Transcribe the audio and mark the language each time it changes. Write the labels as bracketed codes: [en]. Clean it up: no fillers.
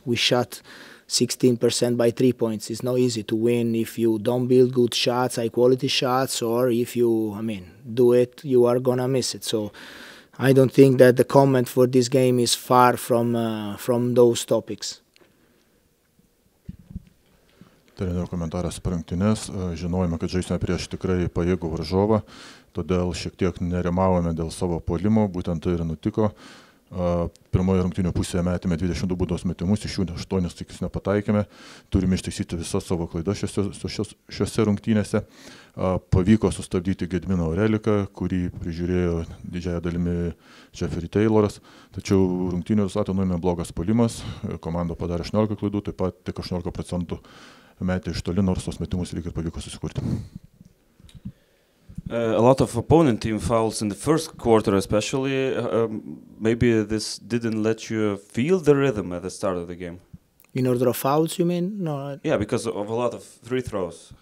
[en] We shot 16% by 3 points. It's not easy to win if you don't build good shots, high quality shots, or if you, do it, you are gonna miss it. So I don't think that the comment for this game is far from those topics. [lt] Trenerio komentaras per rungtynes. Žinojome, kad žaisime prieš tikrai pajėgų varžovą, todėl šiek tiek nerimavome dėl savo puolimo, būtent tai ir nutiko. Pirmoje rungtynių pusėje metėme 22 baudos metimus, iš jų 8 tikis nepataikėme. Turime ištaisyti visas savo klaidas šiose rungtynėse. Pavyko sustabdyti Gedminą Oreliką, kurį prižiūrėjo didžiąją dalimi Jeffrey Tayloras. Tačiau rungtynių rezultatą nuėmė blogas puolimas. Komanda padarė 18 klaidų, taip pat tik 18% metė iš toli, nors tos metimus lyg ir pavyko susikurti. [en] A lot of opponent team fouls in the first quarter especially, maybe this didn't let you feel the rhythm at the start of the game. In order of fouls, you mean? No. Yeah, because of a lot of free throws.